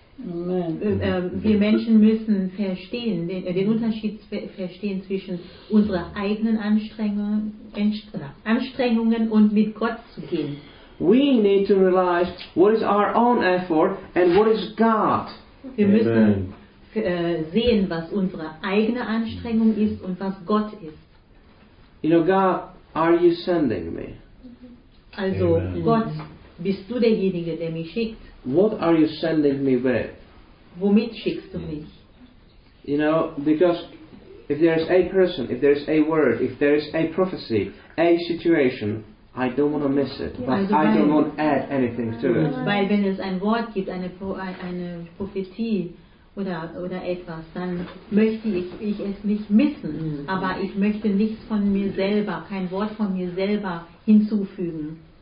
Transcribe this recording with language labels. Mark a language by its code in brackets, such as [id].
[de] Wir Menschen müssen verstehen, den Unterschied verstehen zwischen unseren eigenen Anstrengungen und mit Gott zu gehen. [en] We need to realize what is our own effort and what is God. [de] Wir müssen sehen, was unsere eigene Anstrengung ist und was Gott ist. [en] You know, God, are you sending me? [de] Also, amen. Gott, bist du derjenige, der mich schickt? [en] What are you sending me with? [de] Womit schickst du mich? [en] You know, because if there is a person, if there is a word, if there is a prophecy, a situation, I don't want to miss it, but also I don't want to add anything to it. [de] Weil wenn es ein Wort gibt, eine Prophetie oder etwas, dann möchte ich es nicht missen, aber ich möchte nichts von mir selber, kein Wort von mir selber hinzufügen.